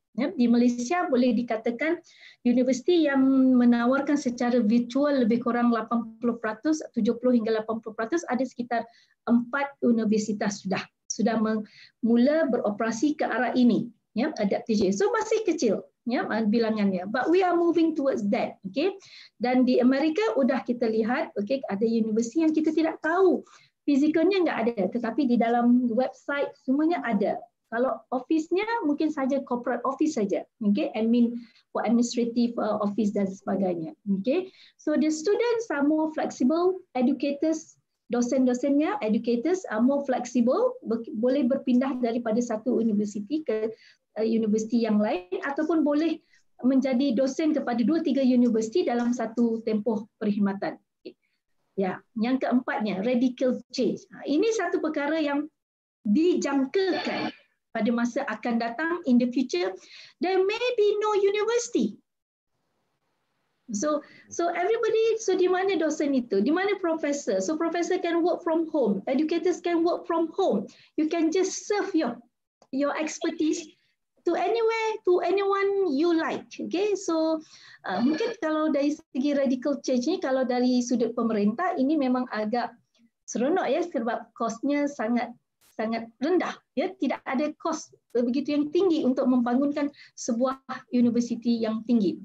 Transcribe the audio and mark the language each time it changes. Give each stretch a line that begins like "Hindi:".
Malay: Di Malaysia boleh dikatakan universiti yang menawarkan secara virtual lebih kurang 80%, 70 hingga 80%, ada sekitar 4 universitas sudah mula beroperasi ke arah ini, ya, adaptive.
English: So
Malay: masih kecil, ya, bilangannya,
English: but we are moving towards that, okay.
Malay: Dan di Amerika sudah kita lihat, okay, ada universiti yang kita tidak tahu fizikalnya enggak ada, tetapi di dalam website semuanya ada. Kalau office-nya mungkin saja corporate office saja, okay,
English: admin for administrative office
Malay: dan sebagainya, okay. So
English: the students are more flexible,
Malay: educators, dosen-dosennya,
English: educators are more flexible,
Malay: boleh berpindah daripada satu universiti ke universiti yang lain, ataupun boleh menjadi dosen kepada 2-3 universiti dalam satu tempoh perkhidmatan. Okay. Ya, yang keempatnya radical change. Ini satu perkara yang dijangkakan pada masa akan datang,
English: in the future, there may be no university. So everybody,
Malay: so di mana dosen itu? Di mana professor?
English: So professor can work from home. Educators can work from home. You can just serve your expertise to anywhere, to anyone you like.
Malay: Okay, so mungkin kalau dari segi radical change ni, kalau dari sudut pemerintah, ini memang agak seronok, ya, sebab cost-nya sangat sangat rendah, ya, tidak ada kos begitu yang tinggi untuk membangunkan sebuah universiti yang tinggi.